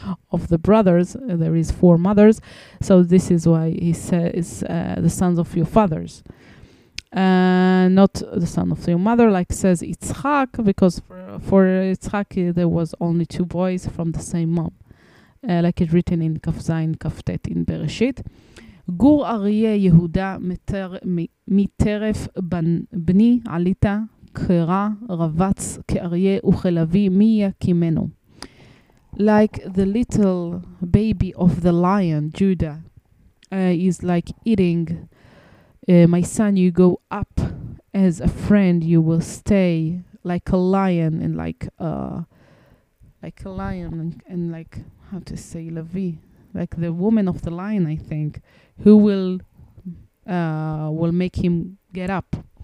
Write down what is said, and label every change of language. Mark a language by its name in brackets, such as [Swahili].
[English] of the brothers, there is four mothers, so this is why he says the sons of your fathers, not the son of your mother, like says Yitzchak, because for Yitzchak there was only two boys from the same mom, like it's written in Kaf Zayin Kaf Tet in Bereshit. [Hebrew] גור אריה יהודה מטרף בני עליתה קרא רבץ כאריה וכלבי מי יקימנו. [English] Like the little baby of the lion, Judah, is like eating. My son, you go up as a friend, you will stay like a lion and like how to say Levi, like the woman of the lion, I think, who will make him get up.